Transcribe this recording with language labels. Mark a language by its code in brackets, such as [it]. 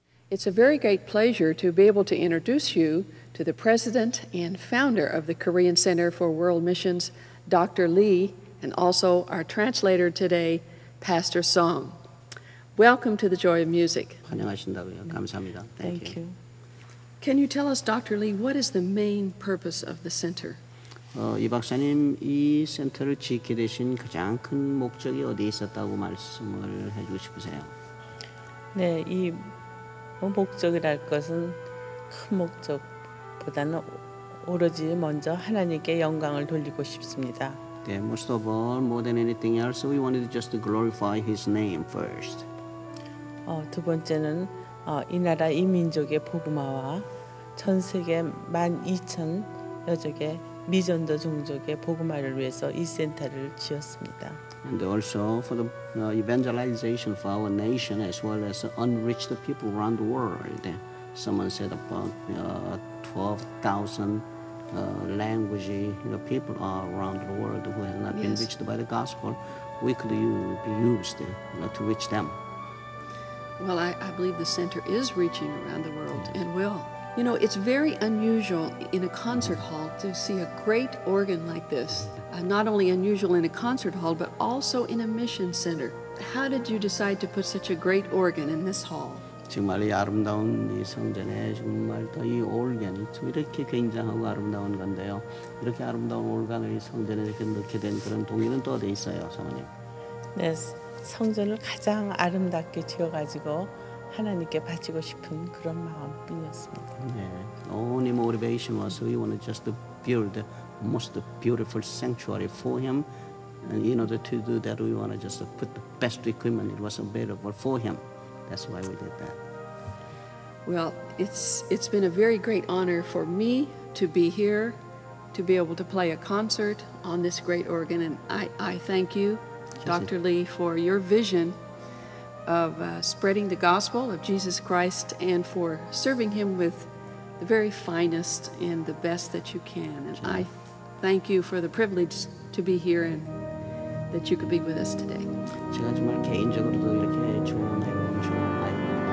[en] It's a very great pleasure to be able to introduce you to the president and founder of the Korean Center for World Missions, Dr. Lee, and also our translator today, Pastor Song. Welcome to the Joy of Music. [ko] 환영하신다고요. 감사합니다. [en] Thank you. Can you tell us, Dr. Lee, what is the main purpose of the center? [ko] 이 박사님, 이 센터를 지키게 되신 가장 큰 목적이 어디 있었다고 말씀을 해주고 싶으세요? 네, 이 목적이랄 것은 큰 목적보다는 오로지 먼저 하나님께 영광을 돌리고 싶습니다. [en] Yeah, most of all, more than anything else, we wanted just to glorify His name first. 두 번째는 이 나라 이 민족의 복음화와 전 세계 12,000 여족의 미전도 종족의 복음화를 위해서 이 센터를 지었습니다. And also for the evangelization of our nation as well as unreached people around the world. Someone said about 12,000 language people are around the world who have not been reached by the gospel. We could be used to reach them. Well, I believe the center is reaching around the world and will. You know, it's very unusual in a concert hall to see a great organ like this. Not only unusual in a concert hall, but also in a mission center. How did you decide to put such a great organ in this hall? [ko] 정말 이 아름다운 이 성전에 정말 더 이 올간이 좀 이렇게 굉장하고 아름다운 건데요. 이렇게 아름다운 올간을 이 성전에 이렇게 넣게 된 그런 동기는 또 어디 있어요, 사모님? 네, 성전을 가장 아름답게 지어가지고 하나님께 바치고 싶은 그런 마음뿐이었습니다. [en] 네, only motivation was we wanted just to build the most beautiful sanctuary for him. And in order to do that, we wanted just to put the best equipment that was available for him. That's why we did that. Well, it's been a very great honor for me to be here, to be able to play a concert on this great organ. And I thank you, Dr. Lee, for your vision of spreading the gospel of Jesus Christ and for serving him with the very finest and the best that you can. And I thank you for the privilege to be here and that you could be with us today. [ko] 제가 정말 개인적으로도 이렇게 좋은